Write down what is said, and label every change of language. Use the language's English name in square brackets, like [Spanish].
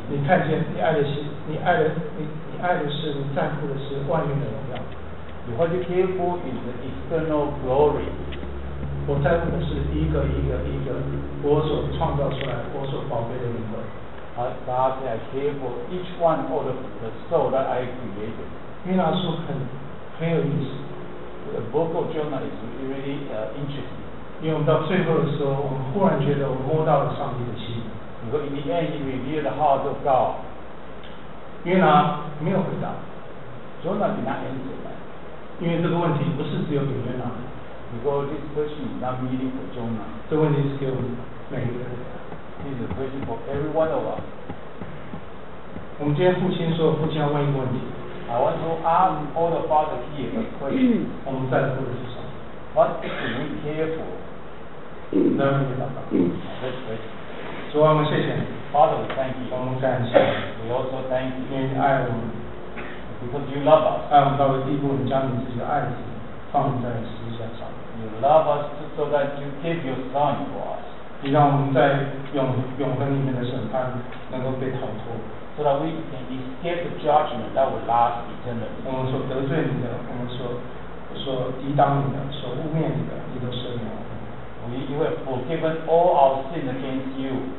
[Chinese] 你看见，你爱的是，你爱的是，你在乎的是外面的荣耀。 [English] What you care for is the external glory. [Chinese] 我在乎的是一个，我所创造出来，我所宝贝的灵魂。 [English] God said, I care for each one of the soul that I created. [Chinese] 约拿书很有意思。 [English] The book of Jonah is really interesting. [Chinese] 因为我们到最后的时候，我们忽然觉得我摸到了上帝的心。 [English] Because in the end, he revealed the heart of God. [Chinese] 约拿没有回答。 [English] Jonah did not answer that. [Chinese] 因为这个问题不是只有给约拿。 [English] Because this question is not merely for Jonah. [Chinese] 这问题是给我们每一个人。 [English] This is a question for every one of us. [Chinese] 我们今天父亲说，父亲要问一个问题。 [English] I want to ask all the fathers here a question. [Chinese] 我们在乎的是什么？ [English] What do we care for? [Chinese] 能问你爸爸。 [English] That's great. [Chinese] 主啊，我们谢谢你。 [English] Father, thank you. [Chinese] 我们感谢你。 [English] We also thank you. [Chinese] 因为你爱我们。 [English] Because you love us. [Chinese] 爱我们到了地步，你将你自己的爱子放在十字架上。 [English] You love us so that you give your son for us. [Chinese] 你让我们在永恒里面的审判能够被逃脱 [English] ，so that we can escape the judgment that will last eternally。 [Chinese] 我们所得罪你的，我们所抵挡你的，所污蔑你的，你都赦免我们。 [English] You have forgiven all our sin against you。